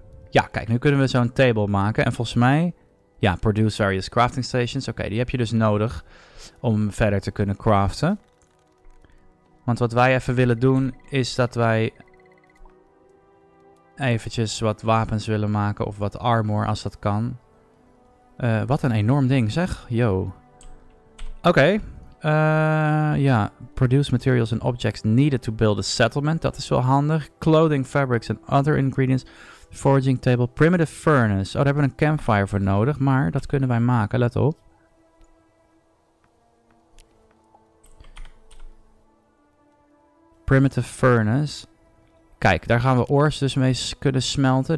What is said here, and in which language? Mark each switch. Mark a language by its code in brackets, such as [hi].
[nl] Ja, kijk, nu kunnen we zo'n table maken. En volgens mij, ja, [en] produce various crafting stations. [nl] Oké, die heb je dus nodig om verder te kunnen craften. Want wat wij even willen doen is dat wij eventjes wat wapens willen maken of wat armor als dat kan. Wat een enorm ding zeg. Yo. Oké. [en] Ja, produce materials and objects needed to build a settlement. [nl] Dat is wel handig. [en] Clothing, fabrics and other ingredients. [nl] Foraging table, primitive furnace. Oh, daar hebben we een campfire voor nodig, maar dat kunnen wij maken, let op. Primitive furnace. Kijk, daar gaan we ores dus mee kunnen smelten.